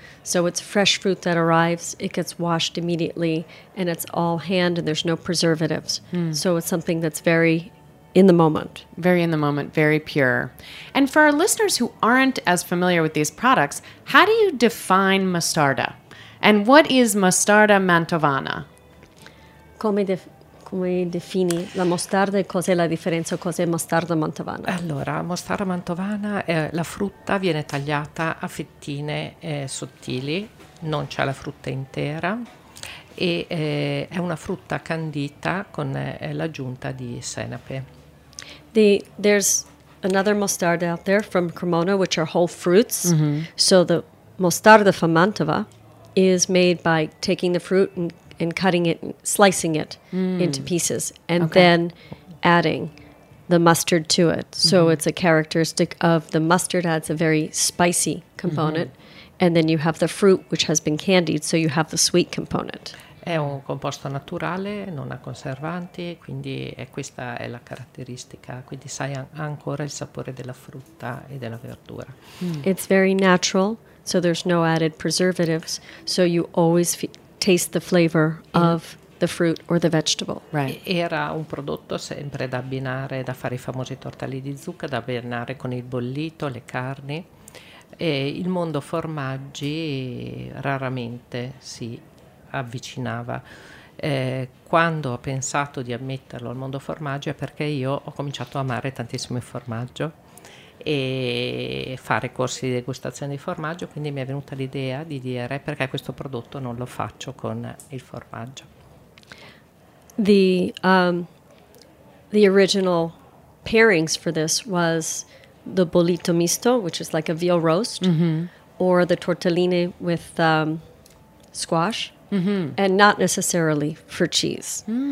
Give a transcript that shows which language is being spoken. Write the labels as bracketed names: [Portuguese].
[English] So it's fresh fruit that arrives, it gets washed immediately, and it's all hand and there's no preservatives. So it's something that's very in the moment. Very in the moment, very pure. And for our listeners who aren't as familiar with these products, how do you define Mastarda? And what is Mastarda Mantovana? [Italian] Come defini la mostarda e cos'è la differenza, cos'è mostarda mantovana? Allora, mostarda mantovana, la frutta viene tagliata a fettine sottili, non c'è la frutta intera, e è una frutta candita con l'aggiunta di senape. [English] There's another mostarda out there from Cremona, which are whole fruits, mm-hmm. So the mostarda from Mantova is made by taking the fruit and cutting it, slicing it into pieces, and then adding the mustard to it. So it's a characteristic of the mustard, adds a very spicy component, and then you have the fruit, which has been candied, so you have the sweet component. [Italian] È un composto naturale, non ha conservanti, quindi questa è la caratteristica. Quindi sai ancora il sapore della frutta e della verdura. [English] It's very natural, so there's no added preservatives, so you always taste the flavor of the fruit or the vegetable. Right. [Italian] Era un prodotto sempre da abbinare, da fare i famosi tortelli di zucca, da abbinare con il bollito, le carni. E il mondo formaggi raramente si avvicinava. Quando ho pensato di ammetterlo al mondo formaggio è perché io ho cominciato a amare tantissimo il formaggio e fare corsi di degustazione di formaggio, quindi mi è venuta l'idea di dire perché questo prodotto non lo faccio con il formaggio. [English] The original pairings for this was the bollito misto, which is like a veal roast, or the tortellini with squash, and not necessarily for cheese.